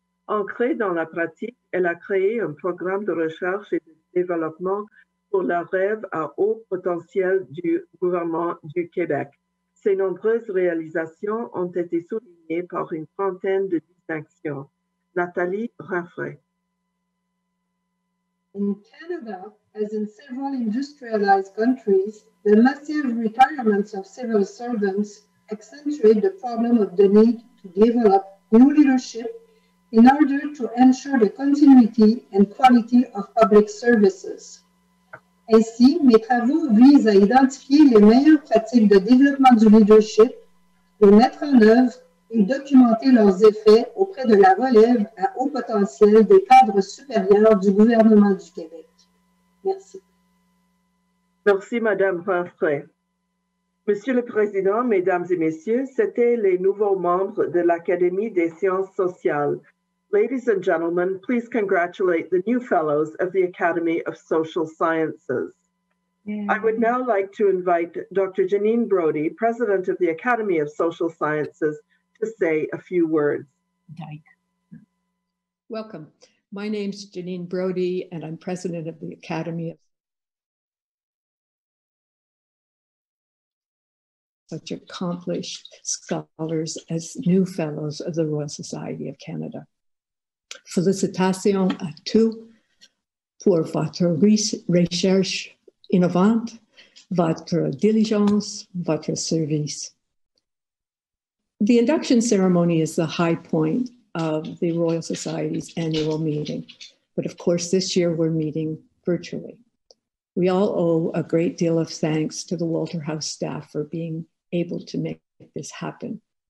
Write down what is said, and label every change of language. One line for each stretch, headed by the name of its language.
French: Ancrée dans la pratique, elle a créé un programme de recherche et de développement pour le rêve à haut potentiel du gouvernement du Québec. Ses nombreuses réalisations ont été soulignées par une trentaine de distinctions. Nathalie Raffray.
English: In Canada, as in several industrialized countries, the massive retirements of civil servants accentuate the problem of the need to develop new leadership in order to ensure the continuity and quality of public services.
French: Ainsi, mes travaux visent à identifier les meilleures pratiques de développement du leadership, les mettre en œuvre et documenter leurs effets auprès de la relève à haut potentiel des cadres supérieurs du gouvernement du Québec. Merci. Merci, Madame Renfray. Monsieur le Président, Mesdames et Messieurs, c'était les nouveaux membres de l'Académie des sciences sociales.
English: Ladies and gentlemen, please congratulate the new fellows of the Academy of Social Sciences. Mm-hmm. I would now like to invite Dr. Janine Brody, President of the Academy of Social Sciences, to say a few words. Dyke. Welcome. My name's Janine Brody, and I'm President of the Academy of such accomplished scholars as new fellows of the Royal Society of Canada.
French: Félicitations à tous pour votre recherche innovante, votre diligence, votre service.
English: The induction ceremony is the high point of the Royal Society's annual meeting, but of course this year we're meeting virtually. We all owe a great deal of thanks to the Walter House staff for being able to make this happen.